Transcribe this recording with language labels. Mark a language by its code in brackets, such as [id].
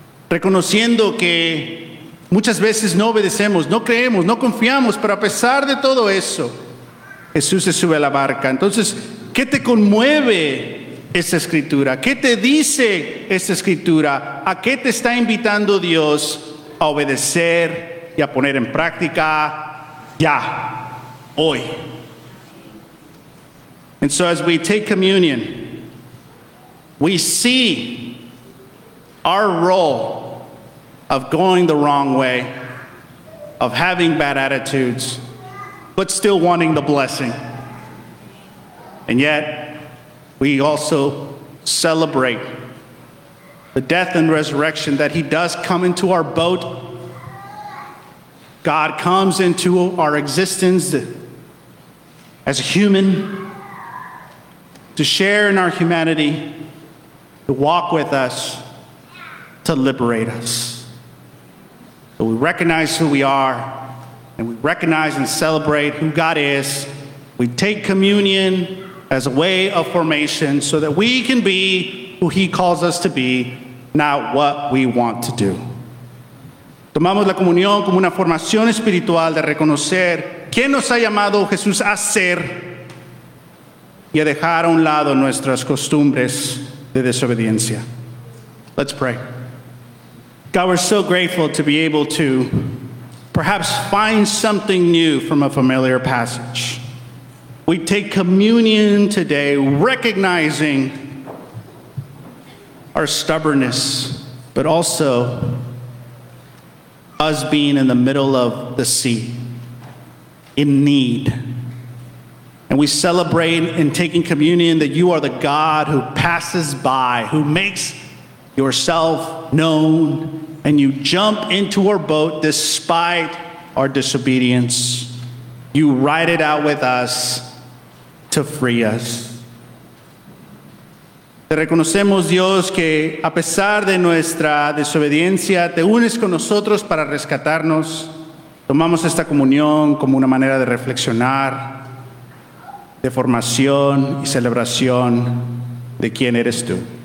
[es] Reconociendo que muchas veces no obedecemos, no creemos, no confiamos, pero a pesar de todo eso, Jesús se sube a la barca. Entonces, ¿qué te conmueve esta escritura? ¿Qué te dice esta escritura? ¿A qué te está invitando Dios a obedecer y a poner en práctica ya, hoy? [en] And so as we take communion, we see our role of going the wrong way, of having bad attitudes, but still wanting the blessing. And yet, we also celebrate the death and resurrection that he does come into our boat. God comes into our existence as a human to share in our humanity, to walk with us, to liberate us. So we recognize who we are, and we recognize and celebrate who God is. We take communion as a way of formation so that we can be who He calls us to be, not what we want to do. [es] Tomamos la comunión como una formación espiritual de reconocer quién nos ha llamado Jesús a ser y a dejar a un lado nuestras costumbres de desobediencia. [en] Let's pray. God, we're so grateful to be able to perhaps find something new from a familiar passage. We take communion today, recognizing our stubbornness, but also us being in the middle of the sea, in need. And we celebrate in taking communion that you are the God who passes by, who makes yourself known, and you jump into our boat despite our disobedience. You ride it out with us to free us. [es] Te reconocemos, Dios, que a pesar de nuestra desobediencia, te unes con nosotros para rescatarnos. Tomamos esta comunión como una manera de reflexionar, de formación y celebración de quién eres tú.